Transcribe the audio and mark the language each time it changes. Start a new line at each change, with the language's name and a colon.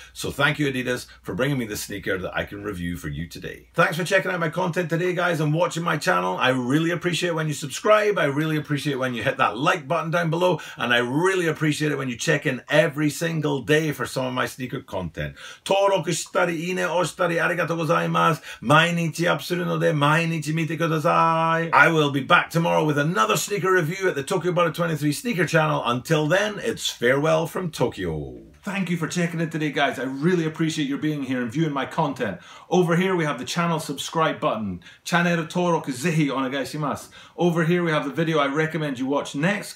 English: So thank you, Adidas, for bringing me the sneaker that I can review for you today. Thanks for checking out my content today, guys, and watching my channel. I really appreciate when you subscribe. I really appreciate when you hit that like button down below. And I really appreciate it when you check in every single day for some of my sneaker content.
Japanese: 登録したりいいねをしたりありがとうございます。毎日アップするので毎日見てください。
English: I will be back tomorrow with another sneaker review at the Tokyo Butter 23 sneaker channel. Until then, it's farewell from Tokyo. Thank you for checking in today, guys. I really appreciate your being here and viewing my content. Over here, we have the channel subscribe button.
Japanese: チャンネル登録ぜひお願いします。
English: Over here, we have the video I recommend you watch next.